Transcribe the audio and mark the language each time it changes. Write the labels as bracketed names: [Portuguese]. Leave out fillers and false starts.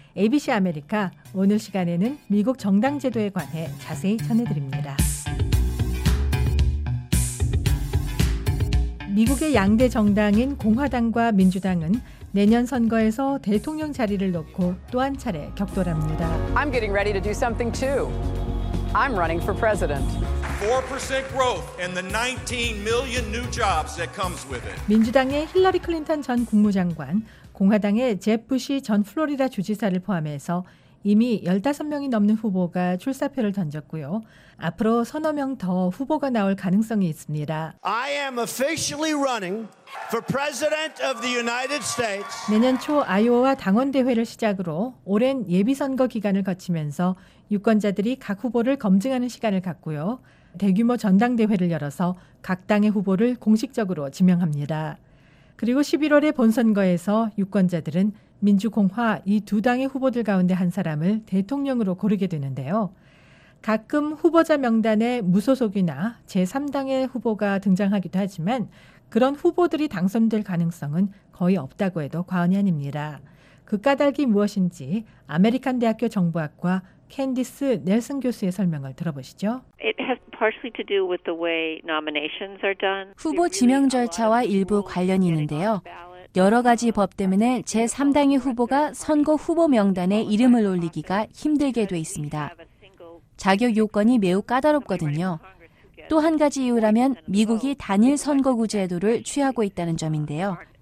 [Korean] ABC 아메리카, 오늘 시간에는 미국 정당 제도에 관해 자세히 전해드립니다. 미국의 양대 정당인 공화당과 민주당은 내년 선거에서 대통령 자리를 놓고 또 한 차례 격돌합니다. [English] I'm getting ready to do something too. I'm running for president. 4% growth and the 19 million new jobs that comes with it. [Korean] 민주당의 힐러리 클린턴 전 국무장관, 공화당의 잽 부시 전 플로리다 주지사를 포함해서 이미 15명이 넘는 후보가 출사표를 던졌고요. 앞으로 서너 명 더 후보가 나올 가능성이 있습니다. [English] I am officially running for president of the United States. [Korean] 내년 초 아이오와 당원대회를 시작으로 오랜 예비선거 기간을 거치면서 유권자들이 각 후보를 검증하는 시간을 갖고요. 대규모 전당대회를 열어서 각 당의 후보를 공식적으로 지명합니다. 그리고 11월에 본선거에서 유권자들은 민주공화 이 두 당의 후보들 가운데 한 사람을 대통령으로 고르게 되는데요. 가끔 후보자 명단에 무소속이나 제3당의 후보가 등장하기도 하지만 그런 후보들이 당선될 가능성은 거의 없다고 해도 과언이 아닙니다. 그 까닭이 무엇인지 아메리칸 대학교 정보학과 캔디스 넬슨 교수의 설명을 들어보시죠. [English] It has partially to do with the way nominations are done. [Korean] 후보 지명 절차와 일부 관련이 있는데요. 여러 가지 법 때문에 제3당의 후보가 선거 후보 명단에 이름을 올리기가 힘들게 돼 있습니다. 자격 요건이 매우 까다롭거든요. 또 한 가지 이유라면 미국이 단일 선거구 제도를 취하고 있다는 점인데요.